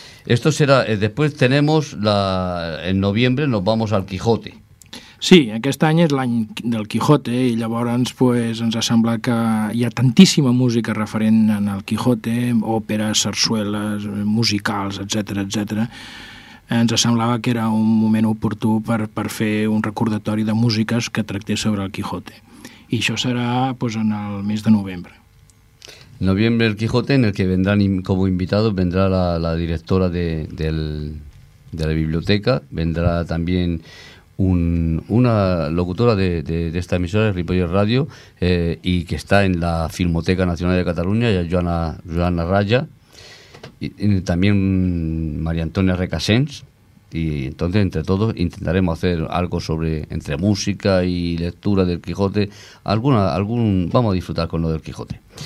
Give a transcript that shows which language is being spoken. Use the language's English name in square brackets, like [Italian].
[Spanish] Esto será, después tenemos en noviembre nos vamos al Quijote. [Catalan] Sí, aquest any és l'any del Quijote i llavors pues, ens ha semblat que hi ha tantíssima música referent en el Quijote, òperes, sarsueles, musicals, etc. Ens semblava que era un moment oportú per fer un recordatori de músiques que tractés sobre el Quijote. I això serà pues, en el mes de novembre. [Spanish] Noviembre el Quijote, en el que vendrán como invitados, vendrá la directora de la biblioteca, vendrá también una locutora de esta emisora, Ripollet Radio, y que está en la Filmoteca Nacional de Cataluña, Joana Raya, y también María Antonia Recasens, y entonces entre todos intentaremos hacer algo sobre, entre música y lectura del Quijote, vamos a disfrutar con lo del Quijote.